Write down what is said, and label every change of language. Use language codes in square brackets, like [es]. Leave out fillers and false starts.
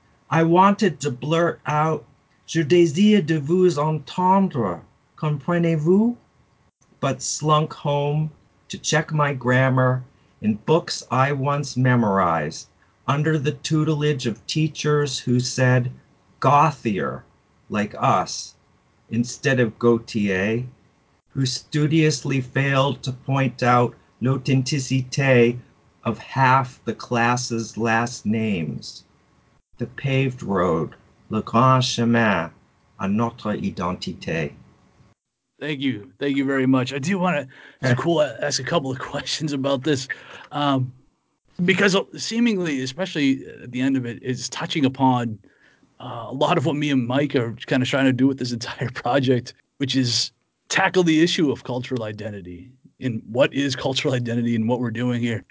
[en] I wanted to blurt out, [fr] je désire de vous entendre, comprenez-vous? [en] But slunk home to check my grammar in books I once memorized under the tutelage of teachers who said Gauthier, like us, instead of Gautier, who studiously failed to point out l'authenticité of half the class's last names. The paved road, [fr] le grand chemin, à notre identité. [en] Thank you. Thank you very much. I do want to ask a couple of questions about this. Because seemingly, especially at the end of it, it's touching upon a lot of what me and Mike are kind of trying to do with this entire project, which is tackle the issue of cultural identity and what is cultural identity and what we're doing here.